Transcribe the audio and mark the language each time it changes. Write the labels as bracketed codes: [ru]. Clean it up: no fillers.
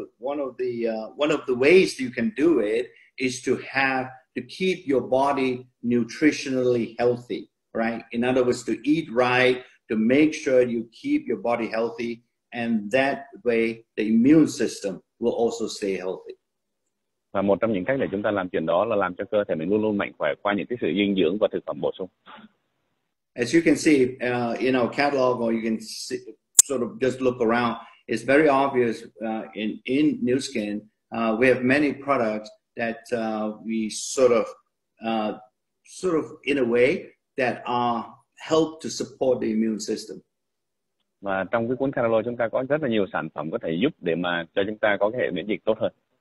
[en] And one of the ways you can do it is to keep your body nutritionally healthy, right? In other words, to eat right, to make sure you keep your body healthy, and that way the immune system will also stay healthy. [vi] Và một trong những cách để chúng ta làm chuyện đó là làm cho cơ thể mình luôn luôn mạnh khỏe qua những cái sự dinh dưỡng và thực phẩm bổ sung. [en] As you can see in our catalog, or you can see, sort of just look around, it's very obvious in Nu Skin, we have many products that we sort of in a way that are help to support the immune system. [vi] Và trong cái cuốn catalog chúng ta có rất là nhiều sản phẩm có thể giúp để mà cho chúng ta có cái hệ miễn dịch tốt hơn.